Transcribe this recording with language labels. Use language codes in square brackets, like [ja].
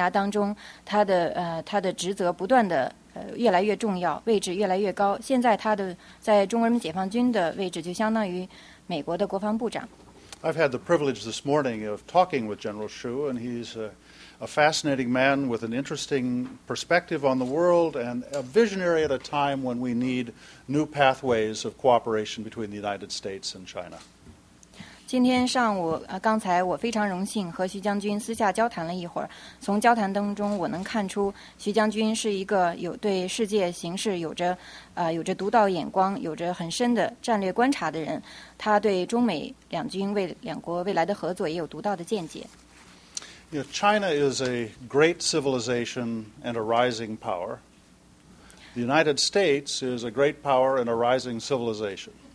[zh] 徐将军是1963年8月加入中国人民解放军，在以后他的军旅生涯当中，他的职责不断地 越来越重要，位置越来越高。现在他的在中国人民解放军的位置就相当于美国的国防部长。 [en] I've had the privilege this morning of talking with General Xu, and he's a fascinating man with an interesting perspective on the world and a visionary at a time when we need new pathways of cooperation between the United States and China. [zh] 今天上午，刚才我非常荣幸和徐将军私下交谈了一会儿。从交谈当中，我能看出徐将军是一个有对世界形势有着独到眼光、有着很深的战略观察的人。他对中美两国未来的合作也有独到的见解。 [en] You know, China is a great civilization and a rising power. The United States is a great power and a rising civilization.